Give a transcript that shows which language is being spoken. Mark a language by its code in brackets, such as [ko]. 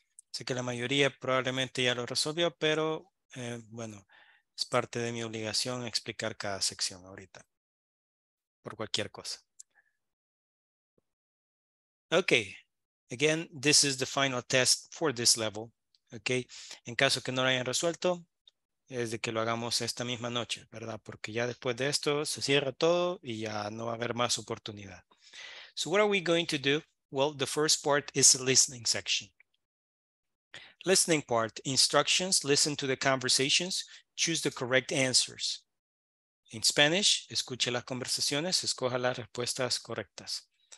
[es] Sé que la mayoría probablemente ya lo resolvió, pero bueno, es parte de mi obligación explicar cada sección ahorita, por cualquier cosa. [en] Okay, again, this is the final test for this level, okay? [es] En caso que no lo hayan resuelto, es de que lo hagamos esta misma noche, ¿verdad? Porque ya después de esto se cierra todo y ya no va a haber más oportunidad. [en] So what are we going to do? Well, the first part is the listening section. Listening part, instructions, listen to the conversations, choose the correct answers. In Spanish, [es] escuche las conversaciones, escoja las respuestas correctas.